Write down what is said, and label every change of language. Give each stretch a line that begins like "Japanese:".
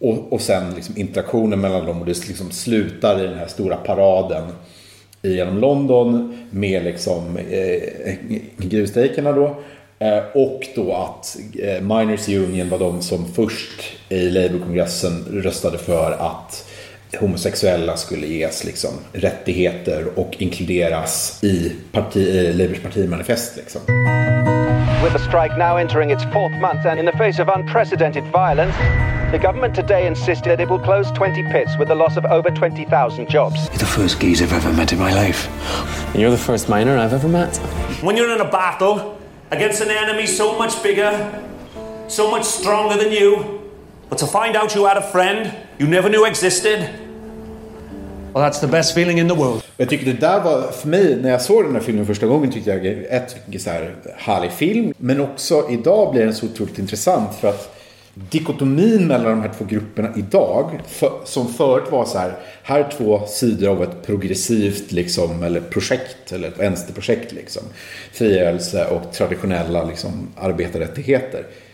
Swedish: Och sen liksom interaktionen mellan dem, och det liksom slutar i den här stora paraden genom London med liksom gruvstrejkerna då. Och då att Miners Union var de som först i Labour-kongressen röstade för att homosexuella skulle ges liksom rättigheter och inkluderas i Labours partimanifest liksom.
English: With the strike now entering its fourth month and in the face of unprecedented violence, the government today insisted that it will close 20 pits with the loss of over 20,000 jobs. You're the first geezer I've ever met in my life. And you're the first miner I've ever met. When you're in a battle against an enemy so much bigger, so much stronger than you, but to find out you had a friend you never knew existed, well, that's the best feeling in the world.
Swedish: Jag tycker det där var, för mig, när jag såg den här filmen första gången, tyckte jag ett så här härlig film. Men också idag blir den så otroligt intressant, för att dikotomin mellan de här två grupperna idag, som förut var så här, här är två sidor av ett progressivt liksom, eller projekt, eller ett vänsterprojekt liksom, frigörelse och traditionella liksom arbetarrättigheter.